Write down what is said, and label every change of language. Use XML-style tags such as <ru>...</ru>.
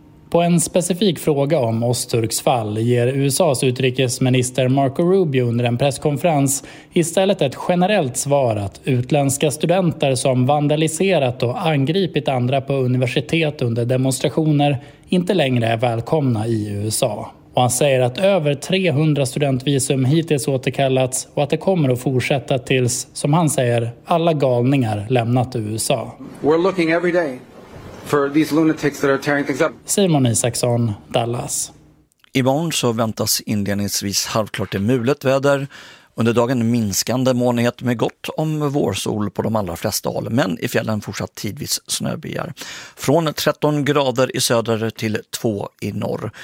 <sv>På en specifik fråga om Öztürks fall ger USAs utrikesminister Marco Rubio under en presskonferens istället ett generellt svar att utländska studenter som vandaliserat och angripit andra på universitet under demonstrationer inte längre är välkomna i USA. Och han säger att över 300 studentvisum hittills återkallats och att det kommer att fortsätta tills, som han säger, alla galningar lämnat USA.</sv> <en>We're looking every day for these lunatics that are tearing things up.</en> <sv>Simon Isaksson, Dallas. Imorgon så väntas inledningsvis halvklart i mulet väder. Under dagen minskande molnighet med gott om vårsol på de allra flesta håll, men i fjällen fortsatt tidvis snöbyar. Från 13 grader i söder till 2 i norr.</sv>